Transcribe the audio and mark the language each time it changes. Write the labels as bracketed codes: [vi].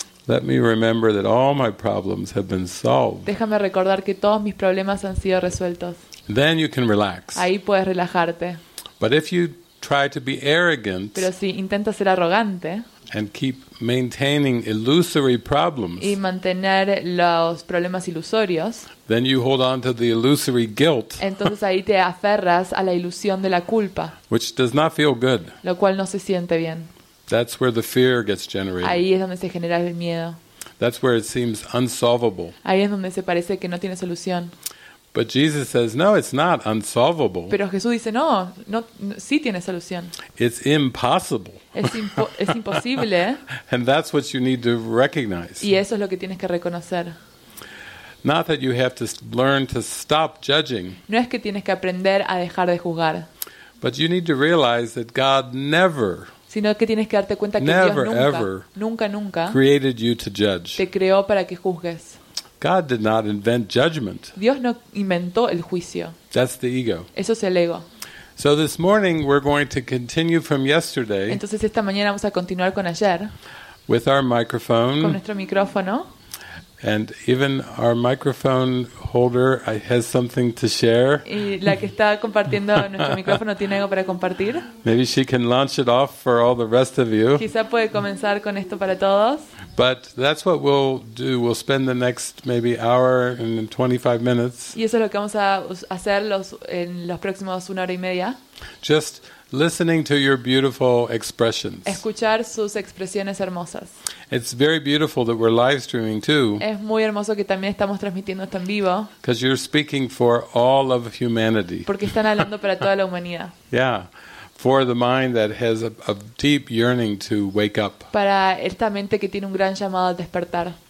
[en] Let me remember that all my problems have been solved. [es] Déjame recordar que todos mis problemas han sido resueltos. [en] Then you can relax. [es] Ahí puedes relajarte. [en] But if you try to be arrogant, [es] pero si intentas ser arrogante, [en] and keep maintaining illusory problems, [es] y mantener los problemas ilusorios, [en] then you hold on to the illusory guilt. [es] Entonces ahí te aferras a la ilusión de la culpa, [en] which does not feel good. [es] Lo cual no se siente bien. [en] That's where the fear gets generated. [es] Ahí es donde se genera el miedo. [en] That's where it seems unsolvable. [es] Ahí es donde se parece que no tiene solución. [en] But Jesus says, no, it's not unsolvable. [es] Pero Jesús dice, no, no, sí tiene solución. [en] It's impossible. [es] Es imposible. [en] And that's what you need to recognize. [es] Y eso es lo que tienes que reconocer. [en] Not that you have to learn to stop judging. [es] No es que tienes que aprender a dejar de juzgar. [en] But you need to realize that God never, [es] sino que tienes que darte cuenta que [en] never, [es] Dios nunca, [en] ever, [es] nunca [en] created you to judge. [es] Te creó para que juzgues. [en] God did not invent judgment. [es] Dios no inventó el juicio. [en] That's the ego. [es] Eso es el ego. [en] So this morning we're going to continue from yesterday. [es] Entonces esta mañana vamos a continuar con ayer. [en] With our microphone. [es] Con nuestro micrófono. [en] And even our microphone holder has something to share. [es] Y la que está compartiendo nuestro micrófono tiene algo para compartir. [en] Maybe she can launch it off for all the rest of you. [es] Quizá puede comenzar con esto para todos. [en] But that's what we'll do. We'll spend the next maybe hour and 25 minutes. [es] Y eso es lo que vamos a hacer en los próximos una hora y media. [en] Just listening to your beautiful expressions. [es] Escuchar sus expresiones hermosas. [en] It's very beautiful that we're live streaming too. [es] Es muy hermoso que también estamos transmitiendo esto en vivo. [en] Because you're speaking for all of humanity. [es] Porque están hablando para toda la humanidad. [en] Yeah. For the mind that has a deep yearning to wake up. [es] Para esta mente que tiene un gran llamado al despertar.